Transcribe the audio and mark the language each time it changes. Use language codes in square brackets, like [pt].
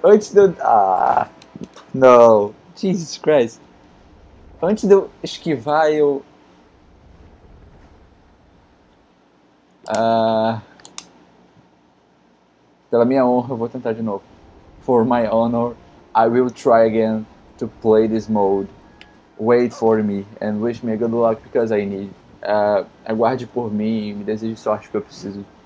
[pt] Antes de eu. Ah! Não! [en] Jesus Christ! [pt] Antes de eu esquivar, eu. Pela minha honra, eu vou tentar de novo. [en] For my honor, I will try again to play this mode. Wait for me and wish me a good luck because I need. [pt] Aguarde por mim e me deseje sorte que eu preciso.